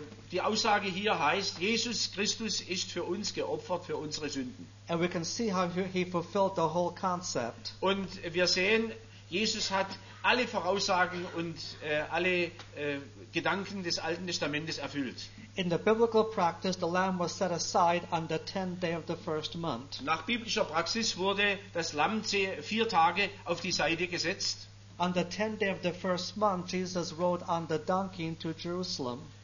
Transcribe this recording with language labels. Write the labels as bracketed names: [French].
[German] Die Aussage hier heißt, Jesus Christus ist für uns geopfert, für unsere Sünden. [English] And we can see how he fulfilled the whole concept. [German] Und wir sehen, Jesus hat alle Voraussagen und alle Gedanken des Alten Testamentes erfüllt. [English] In the biblical practice, the lamb was set aside on the 10th day of the first month. [German] Nach biblischer Praxis wurde das Lamm 4 Tage auf die Seite gesetzt. [English] On the 10th day of the first month, Jesus rode on the donkey into Jerusalem.